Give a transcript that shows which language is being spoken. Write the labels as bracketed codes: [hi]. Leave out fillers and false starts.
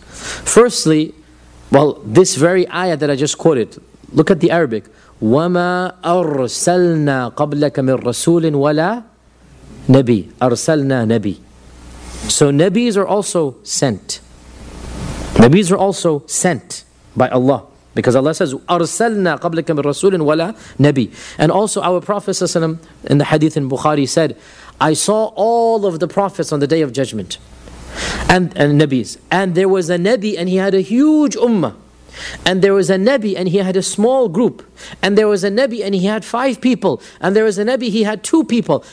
[en] Firstly, well, this very ayah that I just quoted, look at the Arabic. [ar] وَمَا أَرْسَلْنَا قَبْلَكَ مِنْ رَسُولٍ وَلَا نَبِي. أَرْسَلْنَا نَبِي. [en] So Nabis are also sent. Nabis are also sent by Allah. Because Allah says, [ar] أَرْسَلْنَا قَبْلَكَ مِنْ رَسُولٍ وَلَا نَبِيٍّ. [en] And also our Prophet ﷺ in the hadith in Bukhari said, I saw all of the prophets on the day of judgment. And Nabis. And there was a Nabi and he had a huge ummah. And there was a Nabi and he had a small group. And there was a Nabi and he had five people. And there was a Nabi, he had two people.